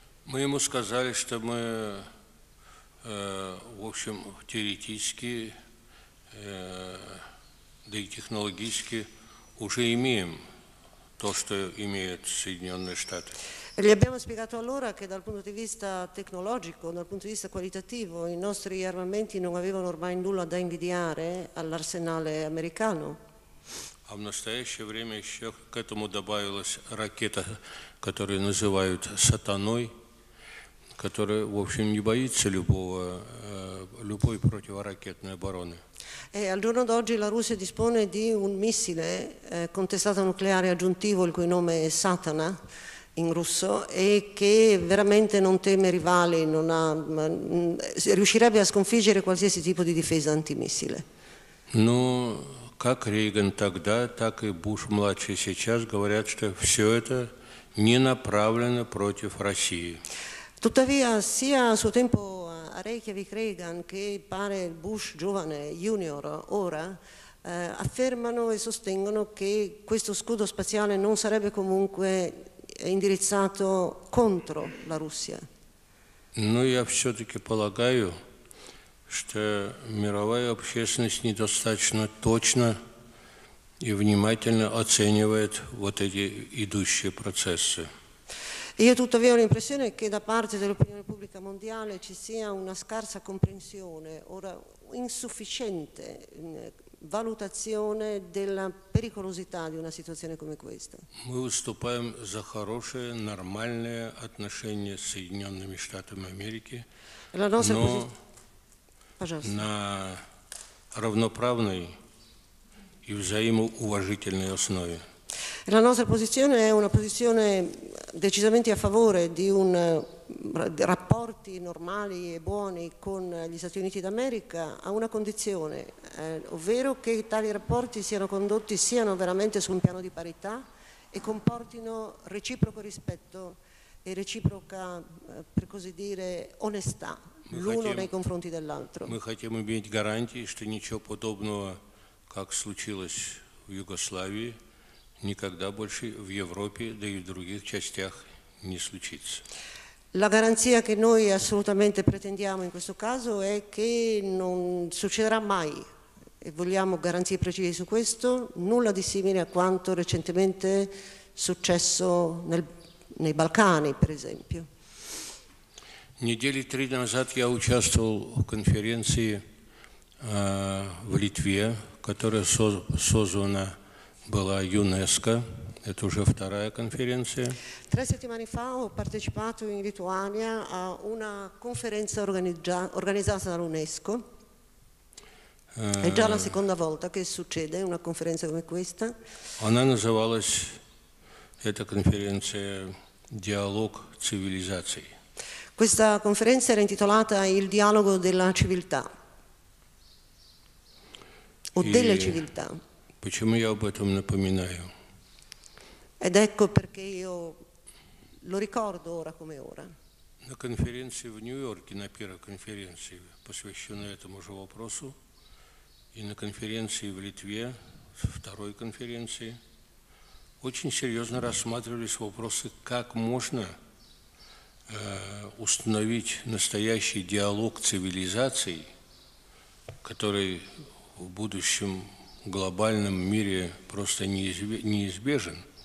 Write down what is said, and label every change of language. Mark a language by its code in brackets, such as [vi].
[ru] Мы ему сказали, что мы в общем теоретически да и технологически уже имеем то, что имеют Соединенные Штаты. [it] Gli abbiamo spiegato allora che dal punto di vista tecnologico, dal punto di vista qualitativo, i nostri armamenti non avevano ormai nulla da invidiare all'arsenale americano. [ru] A в настоящее время еще к этому добавилась ракета, которую называют Сатаной, которая, в общем, не боится любой противоракетной обороны. [it] E al giorno d'oggi la Russia dispone di un missile con testata nucleare aggiuntivo, il cui nome è Satana, in russo, e che veramente non teme rivali, non ha, riuscirebbe a sconfiggere qualsiasi tipo di difesa antimissile. [ru] Ну, как Рейган тогда, так и Буш младший сейчас говорят, что все это не направлено против России. [it] Tuttavia, sia a suo tempo a Reykjavik Reagan che pare Bush giovane, junior, ora affermano e sostengono che questo scudo spaziale non sarebbe comunque indirizzato contro la Russia. [ru] Ну я все-таки полагаю, что мировая общественность недостаточно точно и внимательно оценивает вот эти идущие процессы. [it] Io tuttavia ho l'impressione che da parte dell'opinione pubblica mondiale ci sia una scarsa comprensione, ora insufficiente valutazione della pericolosità di una situazione come questa. [ru] Мы выступаем за хорошие, нормальные отношения с Соединенными Штатами Америки, на равноправной и взаимоуважительной основе. [it] La nostra posizione è una posizione decisamente a favore di un rapporti normali e buoni con gli Stati Uniti d'America a una condizione, ovvero che tali rapporti siano veramente su un piano di parità e comportino reciproco rispetto e reciproca, per così dire, onestà l'uno nei confronti dell'altro. Noi vogliamo avere garanzie che nessuno [ru] подобного, [it] come è successo in [ru] Jugoslavia, никогда больше в Европе, да и в других частях не случится. [it] La garanzia che noi assolutamente pretendiamo in questo caso è che non succederà mai e vogliamo garanzie precise su questo, nulla di simile a quanto recentemente successo nei Balcani, per esempio. [ru] Недели три назад я участвовал в конференции в Литве, которая созвана была ЮНЕСКО. Это уже вторая конференция. [it] Tre settimane fa ho partecipato in Lituania a una conferenza organizzata dall'UNESCO. È già la seconda volta che succede una conferenza come questa. [ru] Она называлась, эта конференция, «Диалог цивилизаций». [it] Questa conferenza era intitolata Il dialogo della civiltà o delle civiltà. [ru] Почему я об этом напоминаю? [it] Ed ecco perché io lo ricordo ora come ora. [ru] На конференции в Нью-Йорке, на первой конференции, посвященной этому же вопросу, и на конференции в Литве, второй конференции, очень серьезно рассматривались вопросы, как можно установить настоящий диалог цивилизаций, который в будущем глобальном мире просто неизбежен.